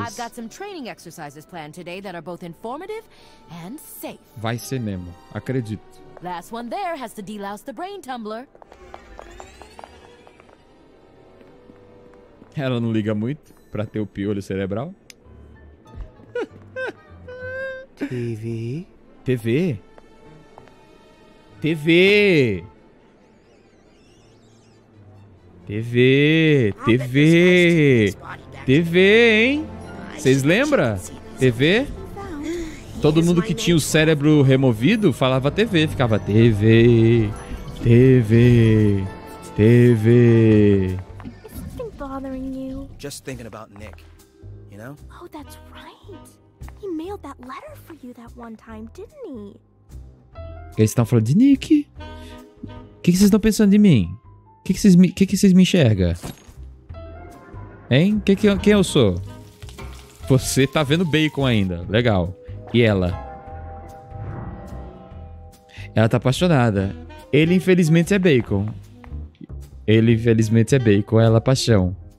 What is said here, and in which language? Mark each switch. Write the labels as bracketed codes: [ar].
[en] I've got some training exercises planned today that are both informative and safe. [pt] Vai ser mesmo. Acredito. [en] Last one there has to delouse the brain tumbler. [pt] Ela não liga muito pra ter o piolho cerebral. TV. TV. TV. TV. TV. TV, hein? Vocês lembram? TV. Todo mundo que tinha o cérebro removido falava TV, ficava TV, TV, TV. [en] Is something bothering you? Just thinking about Nick, you know? Oh, that's right. He mailed that letter for you that one time, didn't he? [pt] Eles estão falando de Nick. O que vocês estão pensando de mim? O que vocês me, que vocês me enxerga? Hein? Quem eu sou? Você tá vendo bacon ainda. Legal. E ela? Ela tá apaixonada. Ele, infelizmente, é bacon. Ele, infelizmente, é bacon. Ela, paixão.